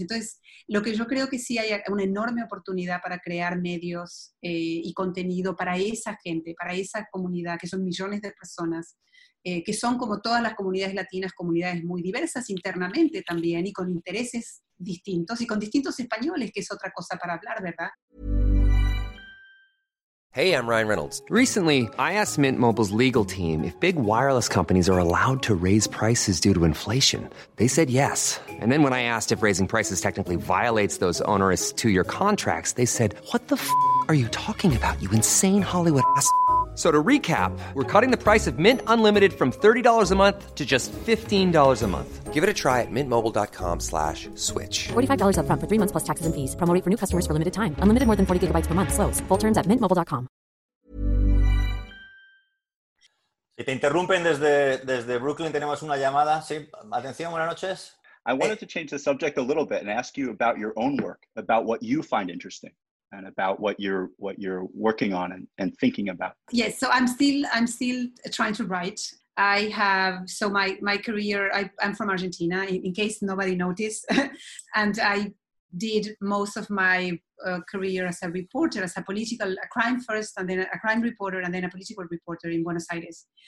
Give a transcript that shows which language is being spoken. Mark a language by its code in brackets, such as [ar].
[es] Entonces, lo que yo creo que sí hay una enorme oportunidad para crear medios y contenido para esa gente, para esa comunidad, que son millones de personas, que son como todas las comunidades latinas, comunidades muy diversas internamente también, y con intereses distintos, y con distintos españoles, que es otra cosa para hablar, ¿verdad? [en] Hey, I'm Ryan Reynolds. Recently, I asked Mint Mobile's legal team if big wireless companies are allowed to raise prices due to inflation. They said yes. And then when I asked if raising prices technically violates those onerous 2-year contracts, they said, what the f*** are you talking about, you insane Hollywood ass f-. So to recap, we're cutting the price of Mint Unlimited from $30 a month to just $15 a month. Give it a try at mintmobile.com/switch. $45 up front for 3 months plus taxes and fees. Promo rate for new customers for limited time. Unlimited more than 40 gigabytes per month. Slows. Full terms at mintmobile.com. [es] Si te interrumpen desde Brooklyn, tenemos una llamada. Sí, atención, buenas noches. [en] I wanted to change the subject a little bit and ask you about your own work, about what you find interesting. And about what you're working on and thinking about. Yes, so I'm still trying to write. I have my career. I'm from Argentina. In case nobody noticed, and I did most of my career as a reporter, as a political a crime first, and then a crime reporter, and then a political reporter in Buenos Aires.